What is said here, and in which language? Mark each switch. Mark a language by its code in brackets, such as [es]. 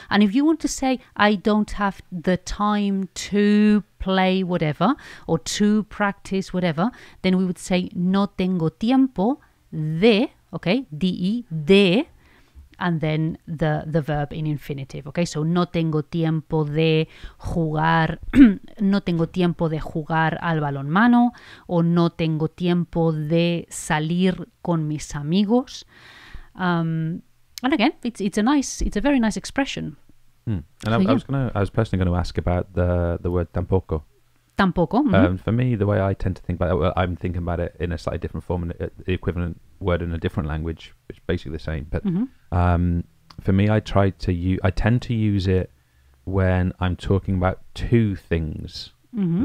[en] And if you want to say, I don't have the time to play whatever or to practice whatever, then we would say, [es] no tengo tiempo de, [en] okay, de, de, and then the verb in infinitive, okay? [es] So, no tengo tiempo de jugar, no tengo tiempo de jugar al balonmano, o no tengo tiempo de salir con mis amigos. [en] And again, it's a very nice expression. Mm. And so, I was personally going to ask about the word tampoco. [es] Tampoco. Mm-hmm. [en] For me, the way I tend to think about it, well, I'm thinking about it in a slightly different form, the equivalent word in a different language, which is basically the same. But mm-hmm. For me, I tend to use it when I'm talking about two things mm-hmm.